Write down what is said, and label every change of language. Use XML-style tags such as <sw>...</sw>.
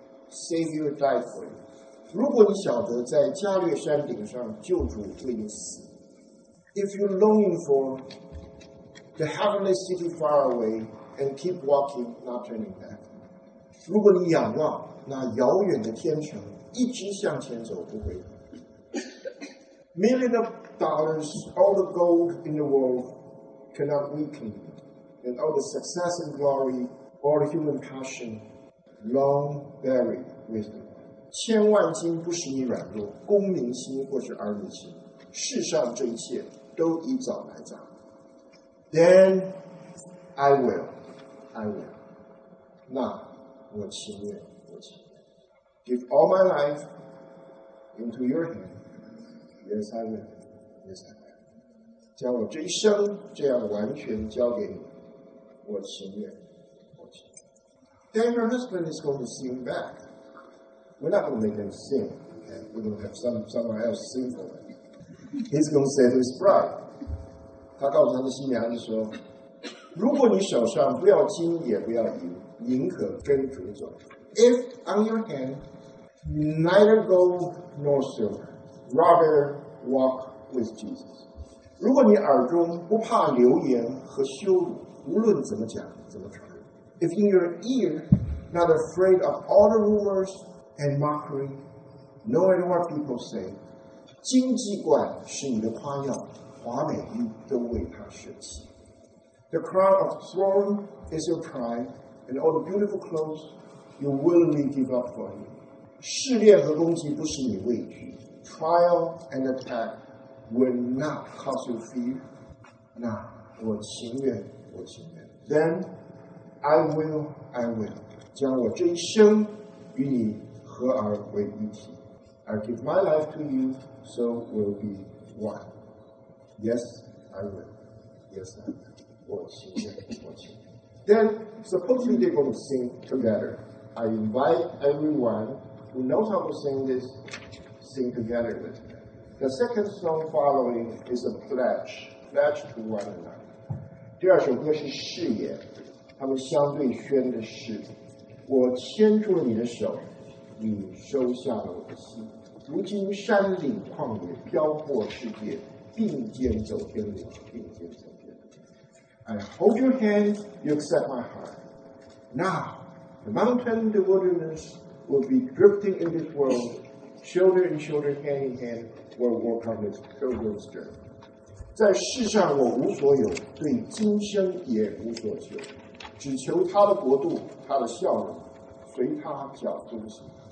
<en>Savior died for you.</en> <zh>如果你晓得在加略山顶上救主为你死</zh> <en>，If you're longing for the heavenly city far away and keep walking, not turning back.</en> <zh>如果你仰望那遥远的天城，一直向前走不回头。</zh> <en>Millions of dollars, all the gold in the world cannot weaken you, and all the success and glory, all human passion, long buried with you.</en> <zh>千万金不使你软弱，功名心或是儿女心，世上这一切都已早埋葬。</zh> <en>Then I will, I will.</en> <zh>那我情愿，我情愿。</zh> <en>Give all my life into your hand. Yes, I will. Yes, I will.</en> <zh>将我这一生这样完全交给你，我情愿，我情愿。</zh> <en>Then your husband is going to see you back. We're not going to make him sing, okay? We're going to have someone else sing for him. He's going to say to his bride.</en> <zh>他告诉他的新娘子说，如果你手上不要金也不要银，宁可跟主走。</zh> <en>If on your hand, neither gold nor silver, rather walk with Jesus.</en> <zh>如果你耳中不怕流言和羞辱，无论怎么讲怎么传。</zh> <en>If in your ear, not afraid of all the rumors,And mockery, knowing what people say,</en> <zh>金鸡冠是你的夸耀，华美玉都为他舍弃。</zh> <en>The crown of throne is your pride, and all the beautiful clothes you willingly give up for him.</en> <zh>试炼和攻击不使你畏惧</zh> <en>，trial and attack will not cause you fear.</en> <zh>那我情愿，我情愿。</zh> <en>Then I will, I will,</en> <zh>将我这一生与你。合而为一体</zh> <en>I give my life to you, so we'll be one. Yes, I will. Yes, I will.</en> <zh>我情愿，我情愿。</zh> <en>Then, supposedly they're going to sing together. I invite everyone who knows how to sing this, sing together with me. The second song following is a pledge, pledge to one another.</en> <zh>第二首歌是誓言，他们相对宣的誓。我牵住了你的手。你收下了我的心，如今山岭旷野，飘过世界，并肩走天涯，并肩走天涯。</zh> <en>I hold your hand, you accept my heart. Now, the mountain, the wilderness, will be drifting in this world. Shoulder in shoulder, hand in hand, we'll walk on this pilgrim's journey.</en> <zh>在世上我无所有，对今生也无所求，只求他的国度，他的笑容，随他脚中行。</zh>